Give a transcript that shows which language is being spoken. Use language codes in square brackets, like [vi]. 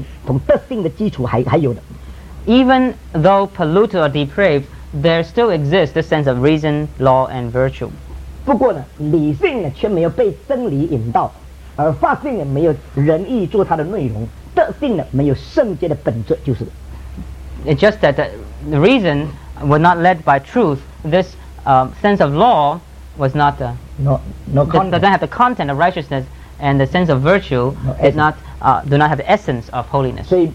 [zh] 那么这个已经污染了，已经败坏的本性中间，这个理性的，这个理性，从发性，从德性的基础还有的。 [en] Even though polluted or depraved, there still exists the sense of reason, law, and virtue. [zh] 不过呢，理性呢却没有被真理引导，而发性呢没有仁义做它的内容，德性呢没有圣洁的本质，就是。 [en] It's just that the reason were not led by truth. This sense of law was not the. Doesn't have the content of righteousness and the sense of virtue do not have the essence of holiness.